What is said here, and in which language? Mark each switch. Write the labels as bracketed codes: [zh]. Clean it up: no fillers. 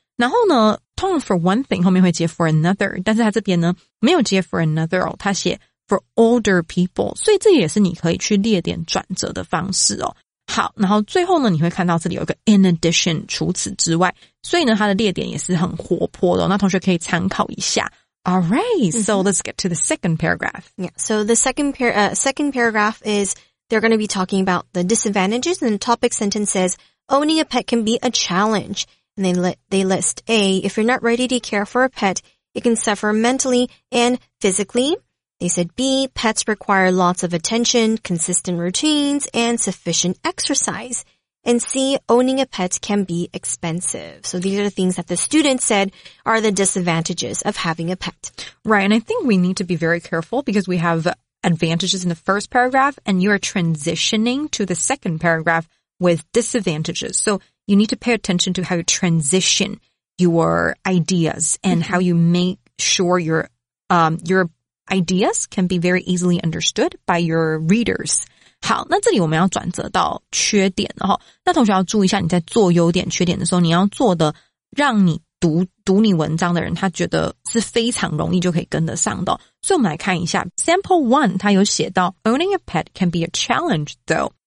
[zh] 然后呢，通常 for one thing 后面会接 for another， 但是他这边呢没有接 for another 哦，他写 for older people， 所以这也是你可以去列点转折的方式哦。好，然后最后呢，你会看到这里有一个 in addition， 除此之外，所以呢，它的列点也是很活泼的，那同学可以参考一下。 [en] Alright, so let's get to the second paragraph. Yeah, so the second paragraph is they're going to be talking about the disadvantages, and the topic sentence says, owning a pet can be a challenge. And they list A, if you're not ready to care for a pet, it can suffer mentally and physically. They said B, pets require lots of attention, consistent routines, and sufficient exercise. And C, owning a pet can be expensive. So these are the things that the student said are the disadvantages of having a pet. Right, and I think we need to be very careful because we have advantages in the first paragraph and you are transitioning to the second paragraph with disadvantages. So you need to pay attention to how you transition your ideas and how you make sure your ideas can be very easily understood by your readers. [zh] 好，那这里我们要转折到缺点了齁。那同学要注意一下，你在做优点缺点的时候，你要做的让你读你文章的人他觉得是非常容易就可以跟得上的。所以我们来看一下 Sample 1， 他有写到 [en] Owning a pet can be a challenge though。